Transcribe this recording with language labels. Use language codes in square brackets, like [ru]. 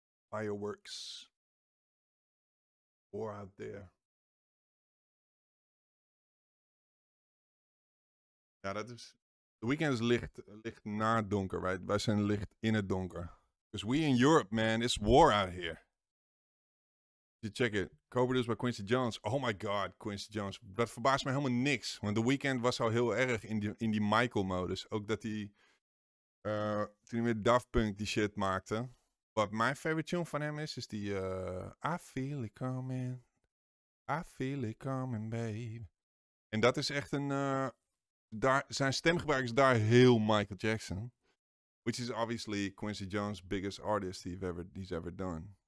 [en] Fireworks. War out there. [nl] Ja, dat is. The Weeknd is licht na het donker, right? Wij zijn licht in het donker. [en] Because we in Europe, man, it's war out here. You check it. Co-produced by Quincy Jones. Oh my god, Quincy Jones. [nl] Dat verbaast me helemaal niks. Want The Weeknd was al heel erg in die Michael-modus. Ook dat hij toen hij met Daft Punk die shit maakte. Wat mijn favorite tune van hem is die I feel it coming. [en] I feel it coming, babe. [nl] En dat is echt een. Zijn stemgebruik is daar heel Michael Jackson. [en] Which is obviously Quincy Jones' biggest artist he's ever done.